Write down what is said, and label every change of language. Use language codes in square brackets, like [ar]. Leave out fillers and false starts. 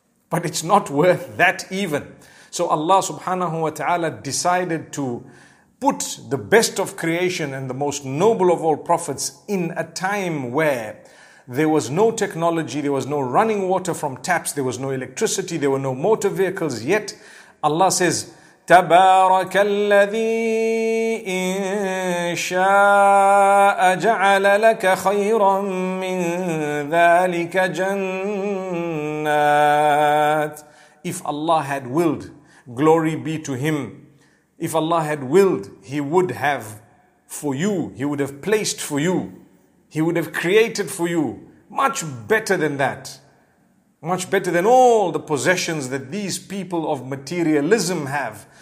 [en] But it's not worth that even. So Allah subhanahu wa ta'ala decided to put the best of creation and the most noble of all prophets in a time where there was no technology, there was no running water from taps, there was no electricity, there were no motor vehicles, yet Allah says, [ar] تبارك الذي إن شاء جعل لك خيرا من ذلك جنات. [en] If Allah had willed, glory be to Him. If Allah had willed, He would have for you, He would have placed for you, He would have created for you much better than that. Much better than all the possessions that these people of materialism have.